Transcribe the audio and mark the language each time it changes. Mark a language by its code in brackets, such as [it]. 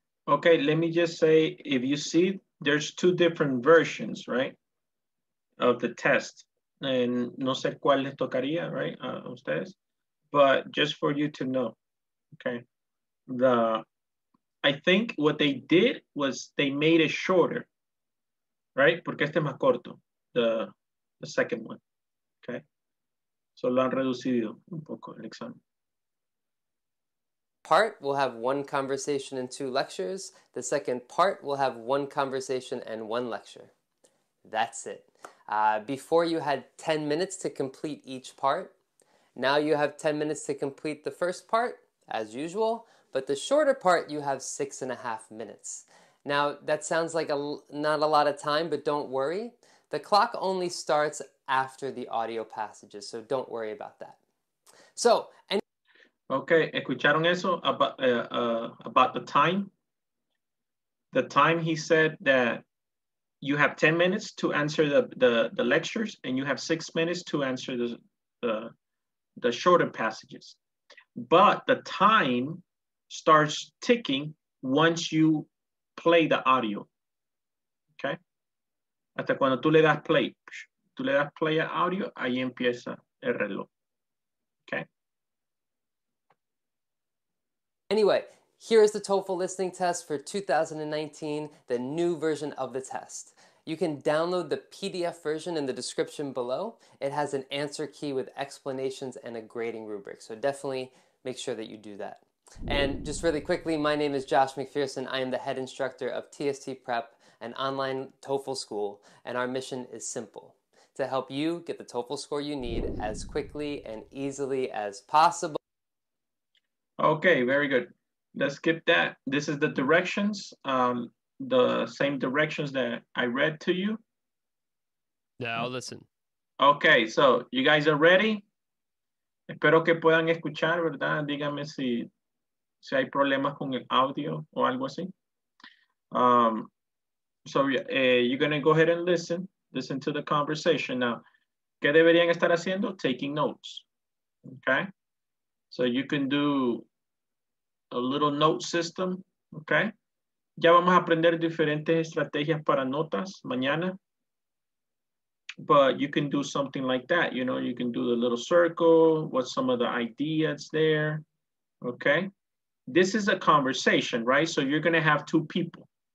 [en] Okay, let me just say, if you see, there's two different versions, right, of the test. And [es] no sé cuál les tocaría, [en] right, [es] a ustedes. [en] But just for you to know, okay, I think what they did was they made it shorter, right? [es] Porque este es más corto, [en] the second one, [es] okay? So lo han reducido un poco el examen. [en] Part will have one conversation and two lectures. The second part will have one conversation and one lecture. That's it. Before you had 10 minutes to complete each part. Now you have 10 minutes to complete the first part, as usual, but the shorter part you have 6.5 minutes. Now that sounds like not a lot of time, but don't worry. The clock only starts after the audio passages, so don't worry about that. So, okay, [es] ¿escucharon eso [en] about the time? The time he said that you have 10 minutes to answer the lectures and you have 6 minutes to answer the shorter passages. But the time starts ticking once you play the audio, okay? [es] Hasta cuando tú le das play audio, ahí empieza el reloj, okay? [en] Anyway, here is the TOEFL listening test for 2019, the new version of the test. You can download the PDF version in the description below. It has an answer key with explanations and a grading rubric. So definitely make sure that you do that. And just really quickly, my name is Josh McPherson. I am the head instructor of TST Prep, an online TOEFL school. And our mission is simple: to help you get the TOEFL score you need as quickly and easily as possible. Okay, very good. Let's skip that. This is the directions, the same directions that I read to you. Now listen. Okay, so you guys are ready? [es] Espero que puedan escuchar, ¿verdad? Díganme si hay problemas con el audio o algo así. [en] You're going to go ahead and listen to the conversation. Now, [es] ¿qué deberían estar haciendo? [en] Taking notes, okay? So you can do a little note system, okay? [es] Ya vamos a aprender diferentes estrategias para notas mañana. [en] But you can do something like that, you know, you can do the little circle, what's some of the ideas there, okay? This is a conversation, right? So you're gonna have two people.